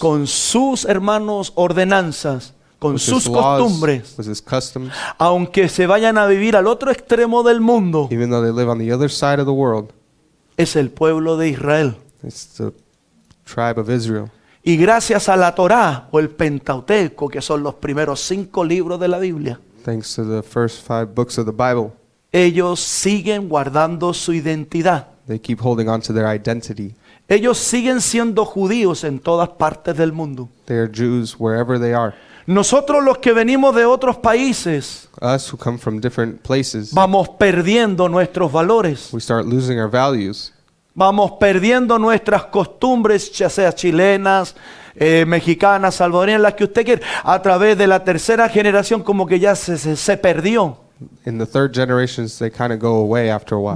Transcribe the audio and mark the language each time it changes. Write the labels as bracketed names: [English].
[Spanish] con sus hermanos ordenanzas, con sus costumbres, [English] with his customs, [Spanish] aunque se vayan a vivir al otro extremo del mundo, [English] even though they live on the other side of the world, [Spanish] es el pueblo de Israel. [English] It's the tribe of Israel. [Spanish] Y gracias a la Torá o el Pentateuco, que son los primeros cinco libros de la Biblia, [English] thanks to the first five books of the Bible, [Spanish] ellos siguen guardando su identidad. [English] They keep holding on to their identity. [Spanish] Ellos siguen siendo judíos en todas partes del mundo. [English] They are Jews wherever they are. [Spanish] Nosotros los que venimos de otros países, [English] us who come from different places, [Spanish] vamos perdiendo nuestros valores. [English] We start losing our values. [Spanish] Vamos perdiendo nuestras costumbres, ya sea chilenas, mexicanas, salvadoreñas, las que usted quiera. A través de la tercera generación como que ya se perdió. [English] In the third generations they kind of go away after a while.